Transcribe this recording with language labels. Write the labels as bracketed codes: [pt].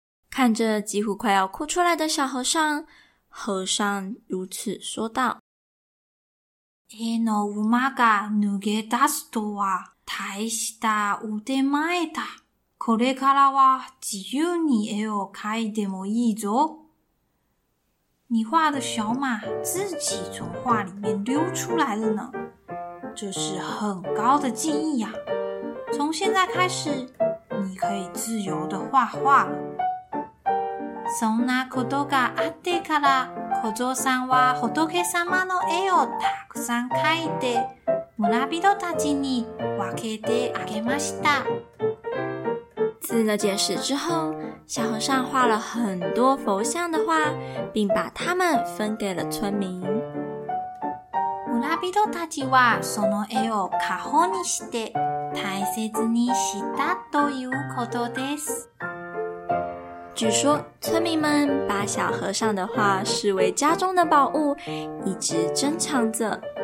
[zh] 看着几乎快要哭出来的小和尚，和尚如此说道。 [ja] 絵の馬が脱げ出すとは大した腕前だ。これからは自由に絵を描いてもいいぞ。 [zh] 你画的小马自己从画里面溜出来了呢。这是很高的技艺呀。从现在开始你可以自由的画画了。 [ja] そんなことがあってから、小僧さんは仏様の絵をたくさん描いて、村人たちに分けてあげました。 [zh] 自了解释之后，小和尚画了很多佛像的画，并把它们分给了村民。 [ja] 村人たちはその絵を花穂にして、大切にしたということです。 [zh] 据说村民们把小和尚的画视为家中的宝物，一直珍藏着。